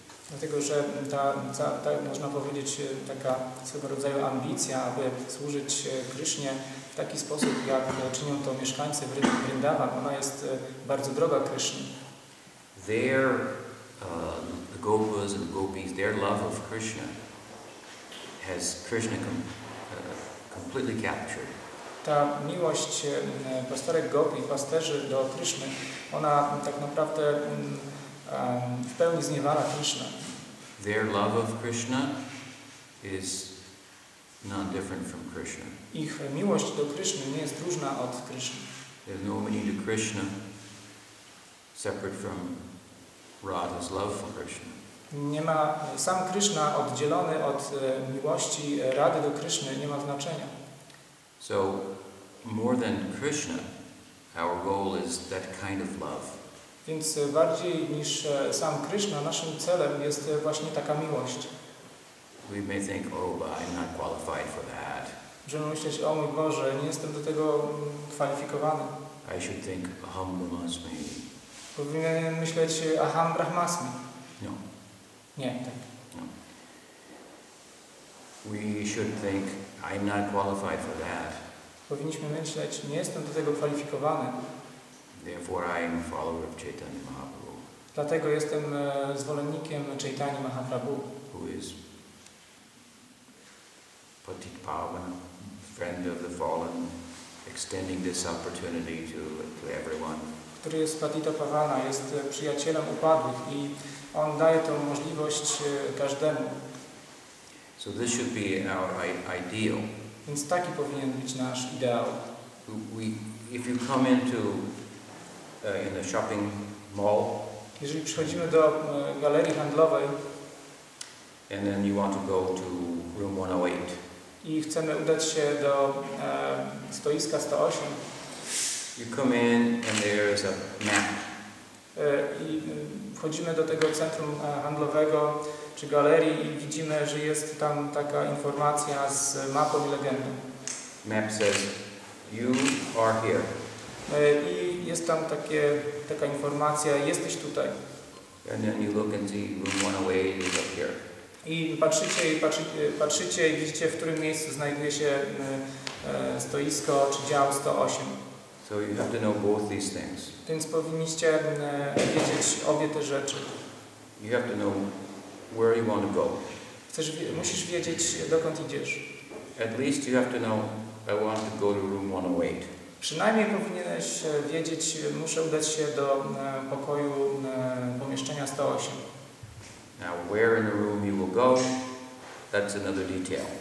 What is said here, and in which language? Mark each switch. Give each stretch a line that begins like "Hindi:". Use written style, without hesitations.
Polish: Dlatego, że ta można powiedzieć, taka swego rodzaju ambicja, aby służyć Krishnie w taki sposób, jak czynią to mieszkańcy Vrindavan, ona jest bardzo droga Krishna.
English: There, the gopas and the gopis, their love of Krishna has Krishna completely captured.
Polish: Ta miłość pastorek gopi, pasterzy do Krishny, ona tak naprawdę w pełni zniewala Krishna.
English: Their love of Krishna is none different from Krishna.
Polish: Ich miłość do Krishny nie jest różna od Krishna.
English: There's no meaning to Krishna separate from Radha's love for Krishna.
Polish: Nie ma, sam Krishna oddzielony od miłości Rady do Krishny nie ma znaczenia.
English: So, more than Krishna, our goal is that kind of love.
Polish: Więc bardziej niż sam Krishna, naszym celem jest właśnie taka miłość.
English: We may think, oh, but I'm not qualified for that.
Polish: Możemy myśleć, o mój Boże, nie jestem do tego kwalifikowany.
English: I should think,
Sanskrit: aham brahmasmi.
Polish: Powinienem myśleć,
Sanskrit: aham brahmasmi.
English: No.
Polish: Nie, tak.
English: No. We should think, I'm not qualified for that.
Polish: Powinniśmy myśleć, nie jestem do tego kwalifikowany.
English: Therefore, I am a follower of Chaitanya Mahaprabhu.
Polish: Dlatego jestem zwolennikiem Chaitanya Mahaprabhu.
English: Who is Patit Pavan, friend of the fallen, extending this opportunity to everyone.
Polish: który jest Patita Pavana, jest przyjacielem upadłych i on daje tę możliwość każdemu.
English: So this should be our ideal.
Polish: Więc taki powinien być nasz ideał.
English: If you come into in a shopping mall,
Polish: jeżeli przychodzimy do galerii handlowej,
English: and then you want to go to room 108.
Polish: I chcemy udać się do stoiska 108.
English: You come in and there is a map.
Polish: I wchodzimy do tego centrum handlowego czy galerii i widzimy, że jest tam taka informacja z mapą i legendą.
English: Map says you are here.
Polish: I jest tam taka informacja, jesteś tutaj.
English: And then you look and see room 108 is up here.
Polish: I patrzycie i widzicie, w którym miejscu znajduje się stoisko czy dział 108.
English: So you have to know both these things.
Polish: Więc powinniście wiedzieć obie te rzeczy.
English: You have to know where you want to go.
Polish: Musisz wiedzieć, dokąd idziesz.
English: At least you have to know I want to go to room 108.
Polish: Przynajmniej powinieneś wiedzieć, muszę udać się do pokoju pomieszczenia 108.
English: Now where in the room you will go, that's another detail.